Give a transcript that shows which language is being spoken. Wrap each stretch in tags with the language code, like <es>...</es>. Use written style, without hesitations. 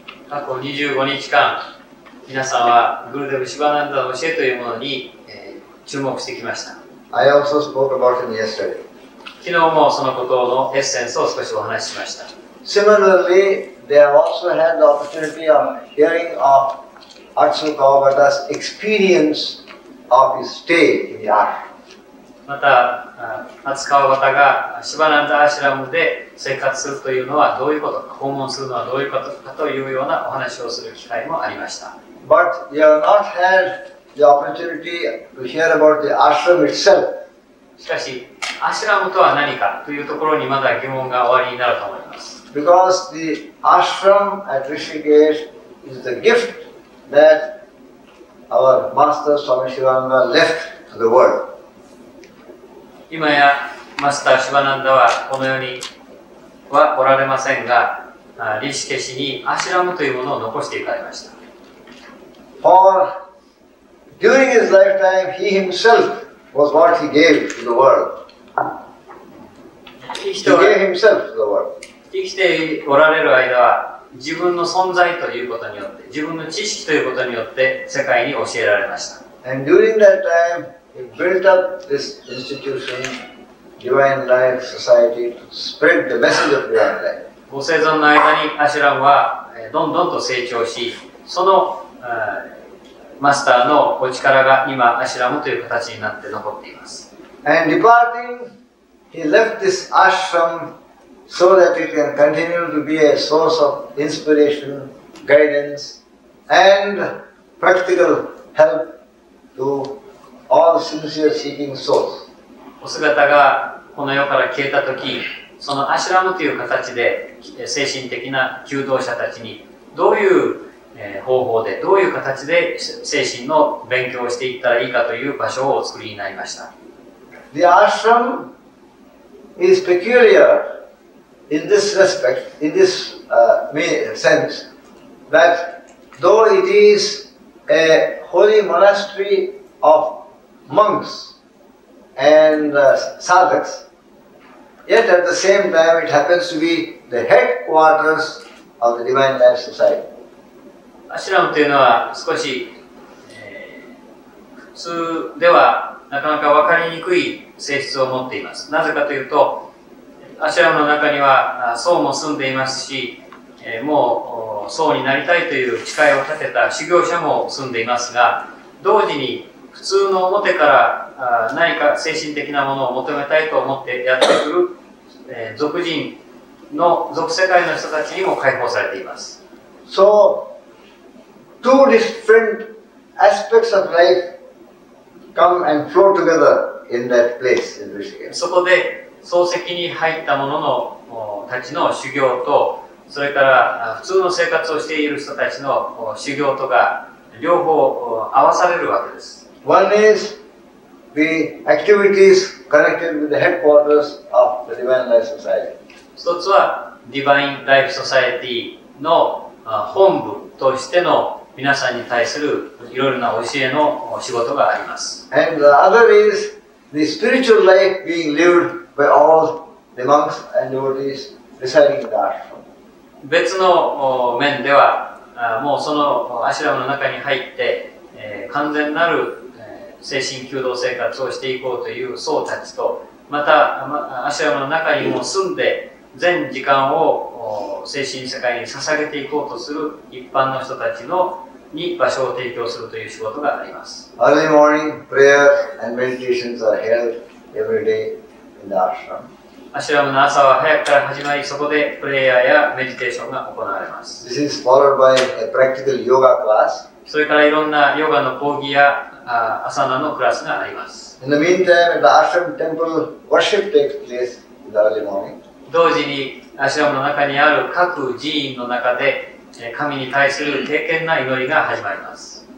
<ja>過去25日間、皆さんはグルデブ・シバナンダの教えというものに、注目してきました。</ja> <en>I also spoke about him yesterday.</en> <ja>昨日もそのことのエッセンスを少しお話ししました。</ja> <en>Similarly, they have also had the opportunity of hearing of Atsuka Kawabata's experience of his stay in the ashram.</en> <ja>また、Atsuka Kawabata がシバナンダアシラムで生活するというのはどういうことか、訪問するのはどういうことかというようなお話をする機会もありました。</ja> <en>But you have not had. The opportunity to hear about the ashram itself.</en> <ja>しかし、アシュラムとは何かというところにまだ疑問がおありになると思います。</ja> <en>Because the ashram at Rishikesh is the gift that our Master Swami Sivananda left to the world.</en> <ja>今やマスターシバナンダはこの世にはおられませんが、リシケシにアシュラムというものを残していかれました。</ja> <en>During his lifetime, he himself was what he gave to the world. He gave himself to the world.</en> <ja>生きておられる間は、自分の存在ということによって、自分の知識ということによって、世界に教えられました。</ja> <en>And during that time, he built up this institution, Divine Life Society, to spread the message of Divine Life.</en> <ja>ご生存の間に、アシュラムはどんどんと成長し、そのマスターのお力が今アシュラムという形になって残っています。</ja> <en>And departing, he left this ashram so that it can continue to be a source of inspiration, guidance, and practical help to all sincere seeking souls.</en> <ja>お姿がこの世から消えたとき、そのアシュラムという形で精神的な求道者たちにどういう方法でどういう形で精神の勉強をしていったらいいかという場所をお作りになりました。</ja> <en>The ashram is peculiar in this respect, in this sense, that though it is a holy monastery of monks and sadhaks, Yet at the same time, it happens to be the headquarters of the Divine Life Society.</en> <ja>アシュラムというのは少し、普通ではなかなか分かりにくい性質を持っています。なぜかというと、アシュラムの中には僧も住んでいますし、もう僧になりたいという誓いを立てた修行者も住んでいますが、同時に普通の表から何か精神的なものを求めたいと思ってやってくる俗人の俗世界の人たちにも解放されています。</ja> <en>So two different aspects of life come and flow together in that place in Rishikesh.</en> <ja>そこで漱石に入った者のたちの修行と、それから普通の生活をしている人たちの修行とが両方合わされるわけです。</ja> <en>One is the activities connected with the headquarters of the Divine Life Society.</en> <ja>一つは Divine Life Society の本部としての皆さんに対するいろいろな教えの仕事があります。</ja> <en>And the other is the spiritual life being lived by all the monks and devotees residing in the ashram.</en> <ja>別の面では、もうそのアシュラムの中に入って、完全なる精神弓道生活をしていこうという僧たちと、またアシュラムの中にも住んで全時間を精神世界に捧げていこうとする一般の人たちのに場所を提供するという仕事があります。</ja> <en>Early morning prayer and meditations are held every day in the ashram.</en> <ja>アシュラムの朝は早くから始まり、そこでプレイヤーやメディテーションが行われます。</ja> <en>This is followed by a practical yoga class.</en> <ja>それからいろんなヨガの講義やアサナのクラスがあります。</ja> <en>In the meantime, the ashram temple worship takes place in the early morning.</en> <ja>同時にアシュラムの中にある各寺院の中で神に対する敬虔な祈りが始まります。</ja>